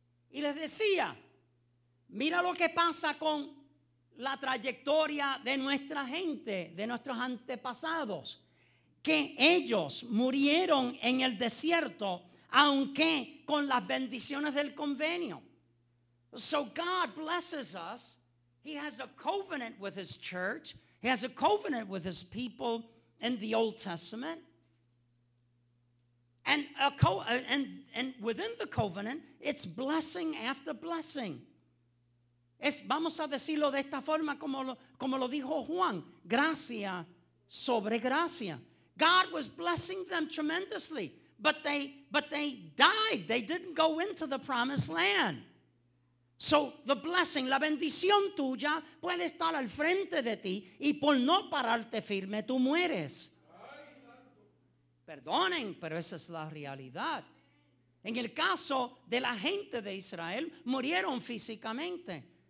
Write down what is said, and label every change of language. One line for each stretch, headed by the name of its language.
Spanish: Y les decía, mira lo que pasa con la trayectoria de nuestra gente, de nuestros antepasados, que ellos murieron en el desierto, aunque con las bendiciones del convenio.
English: So God blesses us. He has a covenant with his church. He has a covenant with his people in the Old Testament. And within the covenant, it's blessing after blessing.
Spanish: Vamos a decirlo de esta forma, como lo dijo Juan, gracia sobre gracia.
English: God was blessing them tremendously, but they died. They didn't go into the promised land. So the blessing,
Spanish: la bendición tuya, puede estar al frente de ti, y por no pararte firme, tú mueres. Perdonen, pero esa es la realidad. En el caso de la gente de Israel, murieron físicamente.